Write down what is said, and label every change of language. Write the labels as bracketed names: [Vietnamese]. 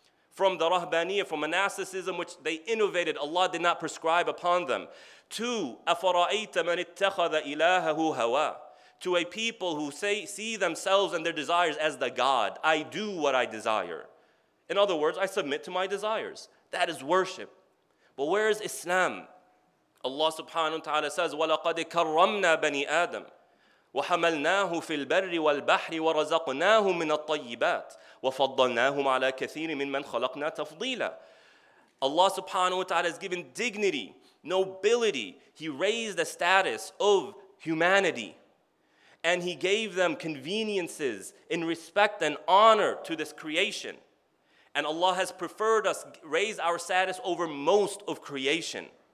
[English] From the rahbaniyah, from monasticism, which they innovated, Allah did not prescribe upon them. [Arabic] To afara'ayta man ittakhadha ilahahu hawa. [English] To a people who see themselves and their desires as the God. I do what I desire. In other words, I submit to my desires. That is worship. But where is Islam? Allah subhanahu wa ta'ala says, [Arabic] وَلَقَدْ كَرَّمْنَا بَنِي آدَمْ وَحَمَلْنَاهُ فِي الْبَرِّ وَالْبَحْرِ وَرَزَقْنَاهُ مِنَ الطَّيِّبَاتِ وَفَضَّلْنَاهُمْ عَلَى كَثِيرٍ مِّمَّنْ خَلَقْنَا تَفْضِيلًا. [English] Allah subhanahu wa ta'ala has given dignity, nobility. He raised the status of humanity. And he gave them conveniences in respect and honor to this creation. And Allah has preferred us, raise our status over most of creation.